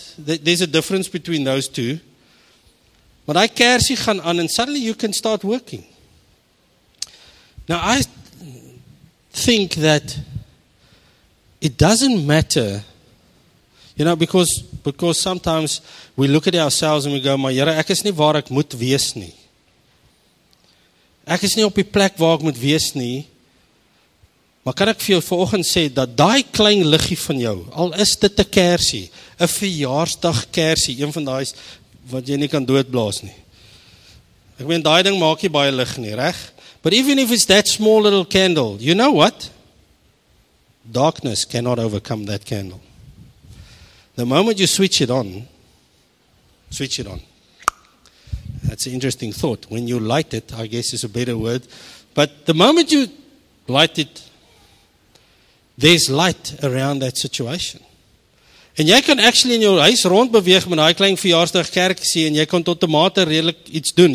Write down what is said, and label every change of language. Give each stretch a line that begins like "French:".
English: There's a difference between those two. But I
Afrikaans: kersie gaan aan
English: and suddenly you can start working. Now I think that it doesn't matter, you know, because sometimes we look at ourselves and we go,
Afrikaans: my Here, ek is nie waar ek moet wees nie. Ek is nie op die plek waar ek moet wees nie. Maar kan ek vir jou vanoggend sê dat daai klein liggie van jou, al is dit 'n kersie, 'n verjaarsdag kersie, een van daai wat jy nie kan doodblaas nie. Ek meen daai ding maak nie baie lig nie, reg?
English: But even if it's that small little candle, you know what? Darkness cannot overcome that candle. The moment you switch it on. That's an interesting thought. When you light it, I guess is a better word. But the moment you light it, there's light around that situation.
Afrikaans: And jy kan actually in jou huis rondbeweeg met daai klein verjaarsdag kerkie en jy kan tot 'n mate redelik iets doen.